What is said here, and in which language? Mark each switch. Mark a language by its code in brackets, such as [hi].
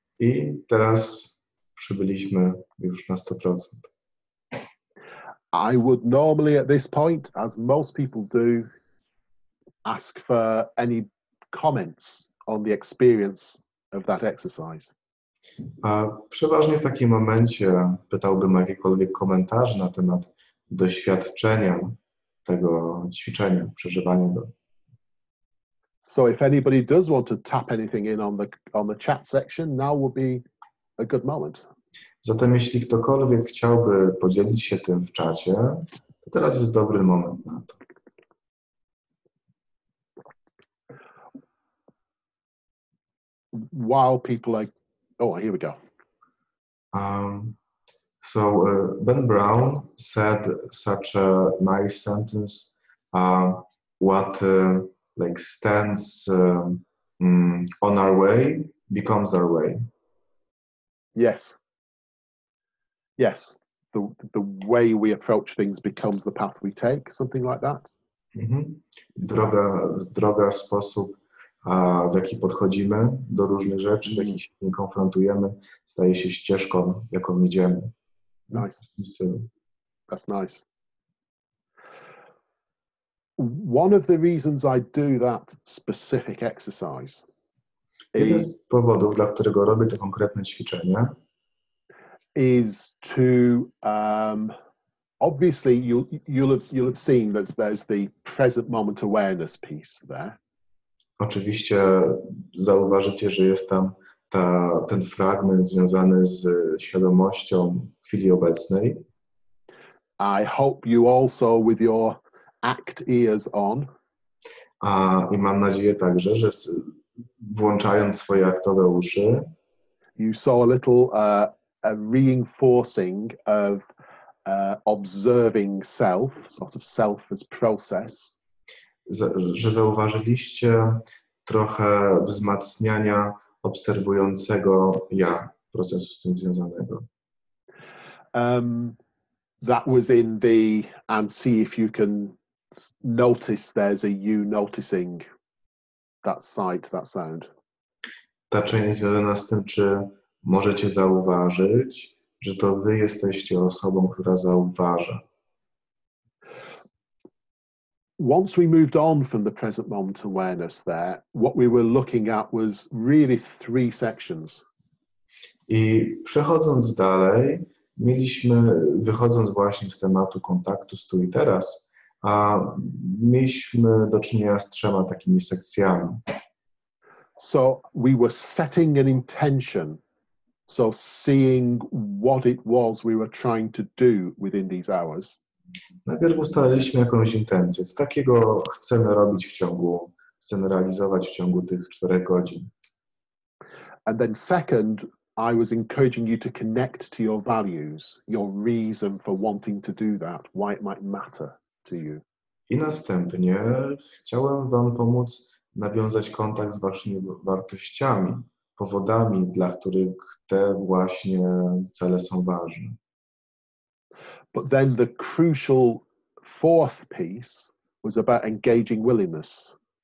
[pl] I teraz przybyliśmy już na 100%. [en] I would normally at this point, as most people do, ask for any comments on the experience of that exercise. [pl] Przeważnie w takim momencie pytałbym o jakiekolwiek komentarze na temat doświadczenia tego ćwiczenia, przeżywania go. [en] So if anybody does want to tap anything in on the chat section, now would be a good moment. [pl] Zatem jeśli ktokolwiek chciałby podzielić się tym w czacie, to teraz jest dobry moment na to. [en] While people are... Oh, here we go. Ben Brown said such a nice sentence. What stands on our way becomes our way. Yes. Yes. The way we approach things becomes the path we take, something like that. [pl] Mm-hmm. Droga, sposób. W jaki podchodzimy do różnych rzeczy, w jaki się konfrontujemy, staje się ścieżką, jaką idziemy. [en] Nice. That's nice. One of the reasons I do that specific exercise. [pl] Jeden z powodów, dla którego robię to konkretne ćwiczenie, [en] is to obviously you'll have seen that there's the present moment awareness piece there. [pl] Oczywiście zauważycie, że jest tam ten fragment związany z świadomością chwili obecnej. [en] I hope you also with your ACT ears on. [pl] I mam nadzieję także, że włączając swoje aktowe uszy, [en] you saw a little a reinforcing of observing self, sort of self as process. [pl] Że zauważyliście trochę wzmacniania obserwującego ja, procesu z tym związanego. [en] That was in the, and see if you can notice there's a you noticing that sight, that sound. [pl] Ta część związana z tym, czy możecie zauważyć, że to wy jesteście osobą, która zauważa. [en] Once we moved on from the present moment awareness there, what we were looking at was really three sections. [pl] I przechodząc dalej, wychodząc właśnie z tematu kontaktu z tu i teraz, mieliśmy do czynienia z trzema takimi sekcjami. [en] So we were setting an intention, so seeing what it was we were trying to do within these hours. [pl] Najpierw ustaliliśmy jakąś intencję. Co takiego chcemy robić w ciągu, chcemy realizować w ciągu tych 4 godzin. [en] And then second, I was encouraging you to connect to your values, your reason for wanting to do that, why it might matter to you. [pl] I następnie chciałem wam pomóc nawiązać kontakt z waszymi wartościami, powodami, dla których te właśnie cele są ważne. [en] But then the crucial fourth piece was about engaging willingness.